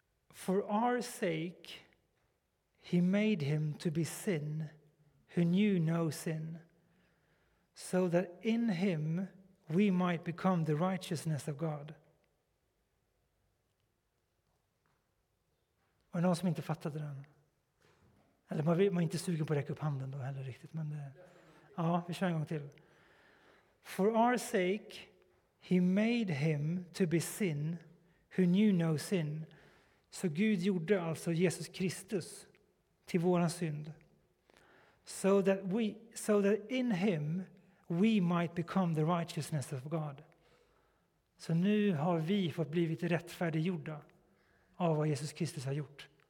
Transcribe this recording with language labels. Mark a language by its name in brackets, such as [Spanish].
[English] For our sake he made him to be sin who knew no sin, so that in him we might become the righteousness of God. [Swedish] Och någon som inte fattade den. Eller man är inte sugen på att räcka upp handen då heller riktigt. Men det, ja, vi kör en gång till. [English] For our sake he made him to be sin who knew no sin. [Swedish] Så Gud gjorde alltså Jesus Kristus till våran synd. [English] So that in him we might become the righteousness of God. [Swedish] Så nu har vi fått blivit rättfärdiggjorda av vad Jesus Kristus har gjort.